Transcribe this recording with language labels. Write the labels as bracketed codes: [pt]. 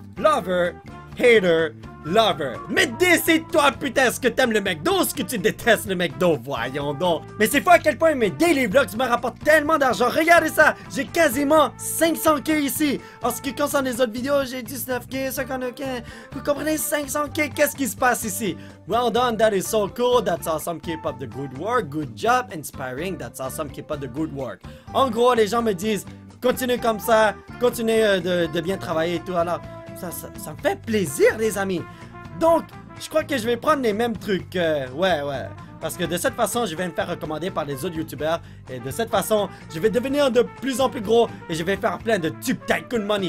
[en] Lover, hater, lover. [fr] Mais décide-toi, putain, est-ce que t'aimes le McDo ou est-ce que tu détestes le McDo, voyons donc. Mais c'est fou à quel point mes Daily Vlogs me rapportent tellement d'argent. Regardez ça, j'ai quasiment 500K ici. En ce qui concerne les autres vidéos, j'ai 19K, 52K. Vous comprenez, 500K, qu'est-ce qui se passe ici? [en] Well done, that is so cool, that's awesome, keep up the good work, good job, inspiring, that's awesome, keep up the good work. [fr] En gros, les gens me disent, continue comme ça, continue de bien travailler et tout, alors... Ça me fait plaisir, les amis. Donc, je crois que je vais prendre les mêmes trucs. Ouais, ouais. parce que de cette façon, je vais me faire recommander par les autres youtubeurs. Et de cette façon, je vais devenir de plus en plus gros et je vais faire plein de tube tycoon money.